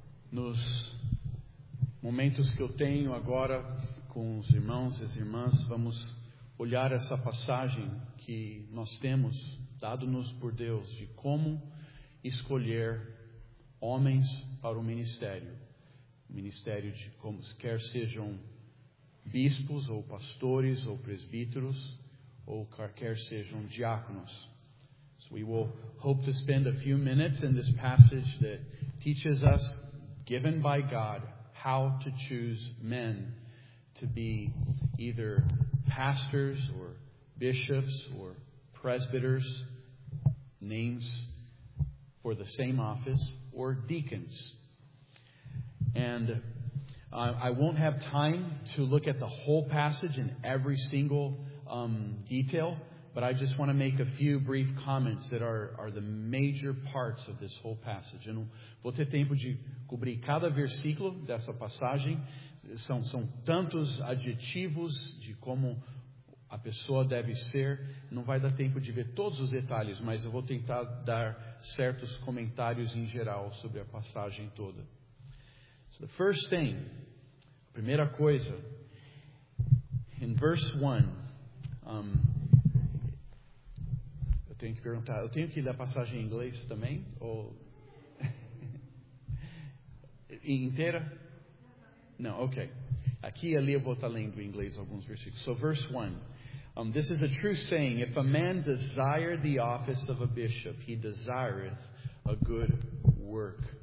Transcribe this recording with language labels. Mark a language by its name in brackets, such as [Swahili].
[Portuguese] Nos momentos que eu tenho agora com os irmãos e as irmãs, vamos olhar essa passagem que nós temos, dado-nos por Deus, de como escolher homens para o ministério. Ministério de como, quer sejam bispos, ou pastores, ou presbíteros, ou quer sejam diáconos. [English] So we will hope to spend a few minutes in this passage that teaches us, given by God, how to choose men to be either pastors or bishops or presbyters, names for the same office, or deacons. And I won't have time to look at the whole passage in every single detail, but I just want to make a few brief comments that are the major parts of this whole passage. [Portuguese] Eu não vou ter tempo de cobrir cada versículo dessa passagem. São tantos adjetivos de como a pessoa deve ser. Não vai dar tempo de ver todos os detalhes, mas eu vou tentar dar certos comentários em geral sobre a passagem toda. [English] So the first thing, [Portuguese] primeira coisa, [English] in verse 1, [Portuguese] tenho que perguntar. Eu tenho que ler a passagem em inglês também? Ou inteira? Não, ok. Aqui e ali eu vou estar lendo em inglês alguns versículos. [English] So, verse 1. This is a true saying. If a man desire the office of a bishop, he desireth a good work.